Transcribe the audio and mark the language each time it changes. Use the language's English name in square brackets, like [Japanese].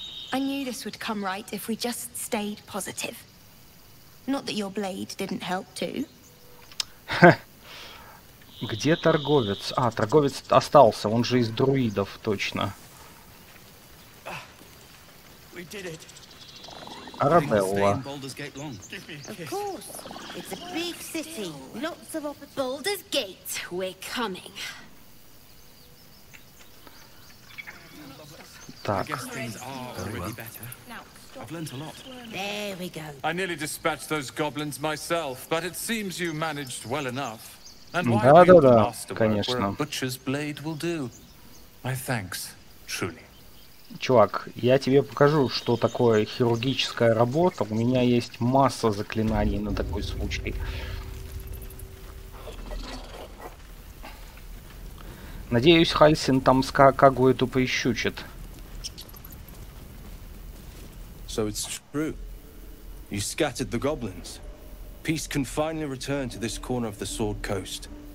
[English] I knew this would come right if we just stayed positive. Not that your blade didn't help too. [Russian] Где торговец? А, торговец остался, он же из друидов, точно. [English] We did it. [Russian] Арабелла. [English] Of course. It's a big city. Lots of opportunities. Baldur's Gate, we're coming. [Russian] Так. [English] There we go. I nearly dispatched those goblins myself, but it seems you managed well enough. And why do you ask where a butcher's blade will do? My thanks, truly. [Russian] Чувак, я тебе покажу, что такое хирургическая работа. У меня есть масса заклинаний на такой случай. Надеюсь, Хальсин там с Кагу эту поищучит. [English] So it's true. You scattered the goblins. Peace can finally return to this corner of the Sword Coast.